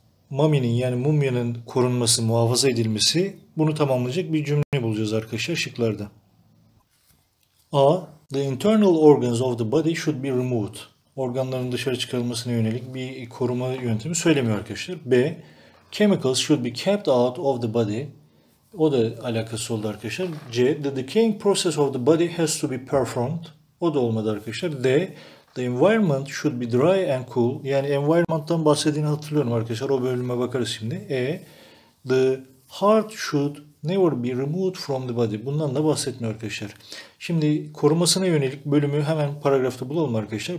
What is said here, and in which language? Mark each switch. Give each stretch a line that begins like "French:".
Turkish: Mumyanın yani mumyanın korunması, muhafaza edilmesi, bunu tamamlayacak bir cümle bulacağız arkadaşlar şıklarda. A.
English: The internal organs of the body should be removed.
Turkish: Organların dışarı çıkarılmasına yönelik bir koruma yöntemi söylemiyor arkadaşlar. B.
English: Chemicals should be kept out of the body.
Turkish: O da alakası oldu arkadaşlar.
English: C. The decaying process of the body has to be performed.
Turkish: O da olmadı arkadaşlar.
English: D. The environment should be dry and cool.
Turkish: Yani environment'tan bahsettiğini hatırlıyorum arkadaşlar. O bölüme bakarız şimdi. E.
English: The heart should never be removed from the body.
Turkish: Bundan da bahsetmiyor arkadaşlar. Şimdi korumasına yönelik bölümü hemen paragrafta bulalım arkadaşlar.